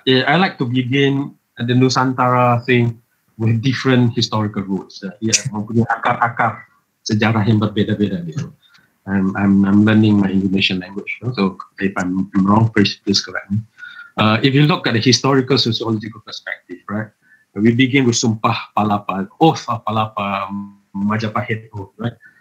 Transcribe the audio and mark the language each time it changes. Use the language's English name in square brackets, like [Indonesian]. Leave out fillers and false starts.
[English] I like to begin the Nusantara thing with different historical roots. [Indonesian] Ia mempunyai akar-akar sejarah yang berbeda-beda gitu. [English] I'm learning my Indonesian language, so if I'm wrong, please correct me. If you look at the historical sociological perspective, right, we begin with Sumpah Palapa, Oath of Palapa, Majapahit Oath, right?